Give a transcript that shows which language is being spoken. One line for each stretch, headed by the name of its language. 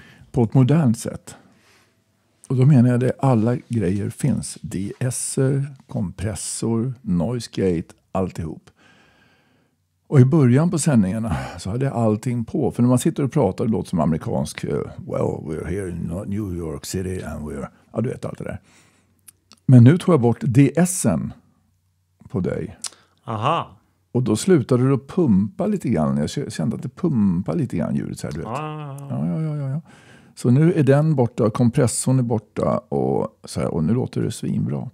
Swedish: På ett modernt sätt. Och då menar jag att alla grejer finns. DS-er, kompressor, noise gate, alltihop. Och i början på sändningarna så hade jag allting på. För när man sitter och pratar, det låter som amerikansk.
English: Well, we're here in New York City and we're...
Swedish: Ja, du vet allt det där. Men nu tog jag bort DS-en på dig. Aha. Och då slutade du pumpa lite grann. Jag kände att det pumpade lite grann ljudet så här, du vet. Ja. Så nu är den borta, kompressorn är borta och, så här, och nu låter det svinbra.